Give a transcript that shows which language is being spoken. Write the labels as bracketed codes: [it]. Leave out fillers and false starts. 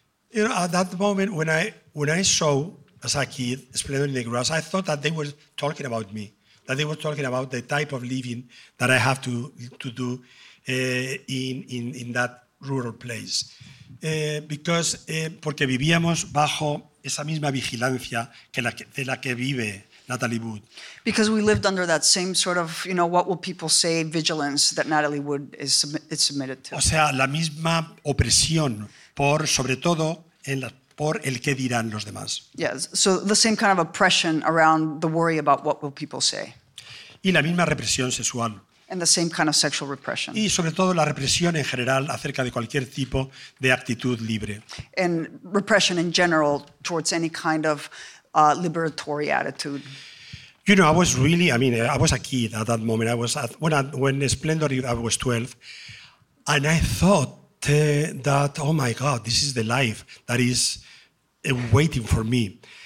[en] You know, at that moment when I saw, as a kid, Splendor in the Grass, I thought that they were talking about me, that they were talking about the type of living that I have to do in that rural place. [es] Porque vivíamos bajo esa misma vigilancia de la que vive Natalie Wood. [en] Because we lived under that same sort of, you know, what will people say, vigilance that Natalie Wood is submitted to. [es] O sea, la misma opresión por, sobre todo, por el que dirán los demás. [en] Yes, so the same kind of oppression around the worry about what will people say. [es] Y la misma represión sexual. [en] And the same kind of sexual repression. [es] Y sobre todo la represión en general acerca de cualquier tipo de actitud libre. [en] And repression in general towards any kind of liberatory attitude. You know, I was really, I mean, I was a kid at that moment. I was, when Splendor, I was 12. And I thought that, oh my God, this is the life that is waiting for me.